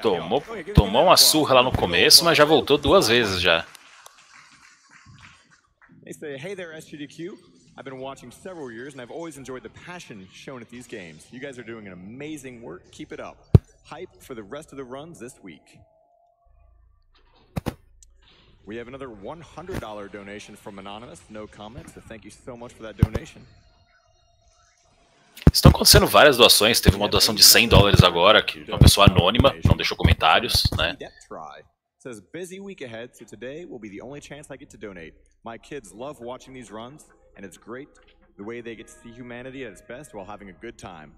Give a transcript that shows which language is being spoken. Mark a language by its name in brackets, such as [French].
[Portuguese] Tomou uma surra lá no começo, mas já voltou duas vezes já. [English] They say, hey there, SGDQ. I've been watching several years and I've always enjoyed the passion shown at these games. You guys are doing an amazing work. Keep it up. Hype for the rest of the runs this week. We have another $100 donation from Anonymous. No comments. So thank you so much for that donation. [Portuguese] Estão acontecendo várias doações, teve uma doação de $100 agora, que uma pessoa anônima, não deixou comentários, né? [English] Says busy week ahead, so today will be the only chance I get to donate. My kids love watching these runs, and it's great the way they get to see humanity at its best while having a good time.